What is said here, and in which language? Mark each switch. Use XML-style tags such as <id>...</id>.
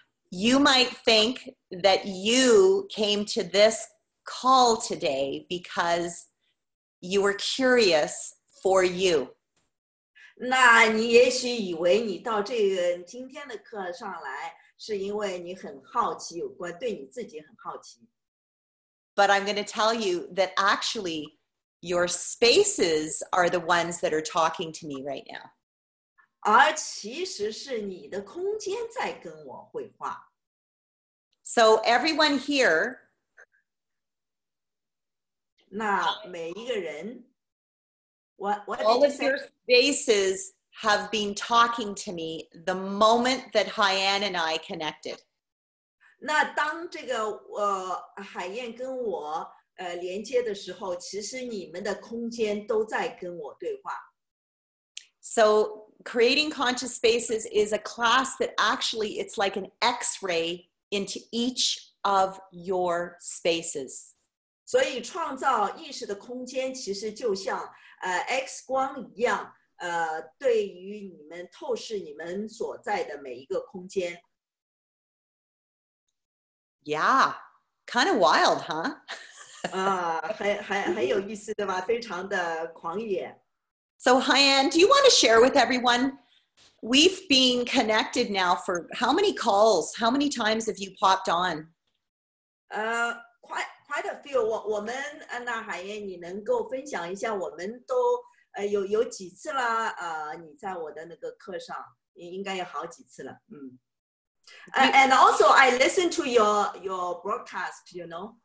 <en>You might think that you came to this call today because you were curious for you.</en> <zh>那你也许以为你到这个今天的课上来是因为你很好奇，有关对你自己很好奇。</zh> <en>But I'm going to tell you that actually,Your spaces are the ones that are talking to me right now.</en> <zh>而其实是你的空间在跟我绘画。</zh> <en>So everyone here,</en> <zh>那每一个人, what</zh> <en>all of your spaces have been talking to me the moment that Haiyan and I connected.</en> <zh>那当这个海燕跟我连接的时候，其实你们的空间都在跟我对话。</zh> <en>So, creating conscious spaces is a class that actually it's like an X-ray into each of your spaces.</en> <zh>所以创造意识的空间其实就像X 光一样，对于你们透视你们所在的每一个空间。</zh> <en>Yeah, kind of wild, huh?</en> <zh>很有意思的嘛，非常的狂野。</zh> <en>So, Haiyan, do you want to share with everyone We've been connected now for how many calls? How many times have you popped on? Quite a few.</en> <zh>我们安娜海燕，你能够分享一下我们都有几次啦？你在我的那个课上应该有好几次了。</zh> <en>And also, I listen to your broadcast. You know,</en>